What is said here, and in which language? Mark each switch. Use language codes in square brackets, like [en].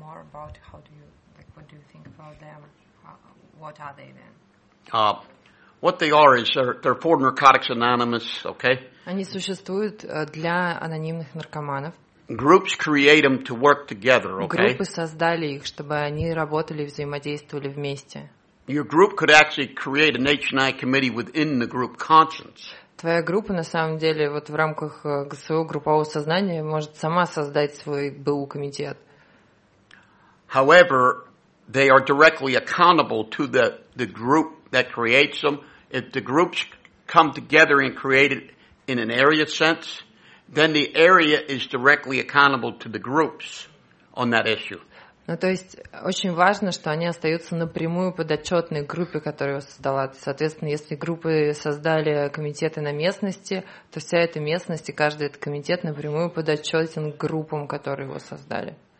[en] About how do you, like, what do you think about them? What are they then? What they are is they're for Narcotics Anonymous, okay? [ru] Они существуют для анонимных наркоманов. [en] Groups create them to work together, okay? [ru] Группы создали их, чтобы они работали, взаимодействовали вместе. [en] Your group could actually create an H&I committee within the group conscience. [ru] Твоя группа, на самом деле, вот в рамках своего группового сознания может сама создать свой БУ комитет. [en] However, they are directly accountable to the group that creates them. If the groups come together and create it in an area sense, then the area is directly accountable to the groups on that issue. [ru] Ну, то есть, очень важно, что они остаются напрямую подотчетной группе, которая создала. Соответственно, если группы создали комитеты на местности, то вся эта местность и каждый этот комитет напрямую подотчетен группам, которые его создали.